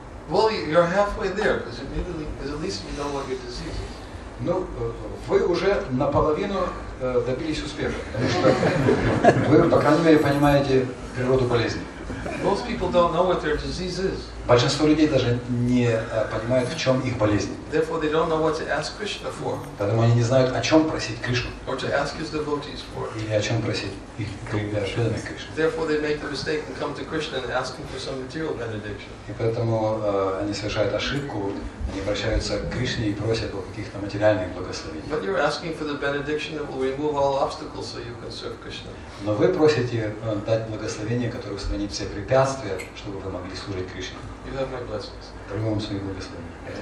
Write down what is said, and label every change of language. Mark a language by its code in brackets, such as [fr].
[en] Well, you're halfway there, because immediately, because at least you know what your disease is. [ru] Ну, вы уже наполовину добились успеха, потому что вы, по крайней мере, понимаете природу болезни. [en] Most people don't know what their disease is. [ru] Большинство людей даже не понимают, в чем их болезнь. [en] Therefore, they don't know what to ask Krishna for. [ru] Поэтому они не знают, о чем просить Кришну. [en] Or to ask his devotees for. [ru] Или о чем просить их преданных Кришне. [en] Therefore, they make the mistake and come to Krishna and ask him for some material benediction. [ru] И поэтому они совершают ошибку, они обращаются к Кришне и просят о каких-то материальных благословениях. [en] But you're asking for the benediction that will remove all obstacles so you can serve Krishna. [ru] Но вы просите дать благословение, которое устранит все препятствия, чтобы вы могли служить Кришне. [en] You have my blessings. [ru] Даю вам свои благословения.